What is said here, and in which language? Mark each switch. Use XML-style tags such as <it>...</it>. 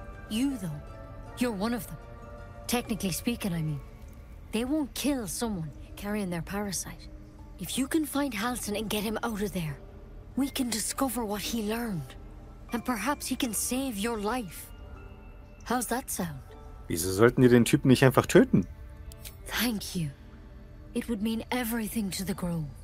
<en>You, though, you're one of them. Technically speaking, I mean. They won't kill someone carrying their parasite. If you can find Halsen and get him out of there, we can discover what he learned. And perhaps he can save your life. How's that sound?</en> <de>Wieso sollten die den Typen nicht einfach töten?</de> <en>Thank you. It would mean everything to the Grove.</en>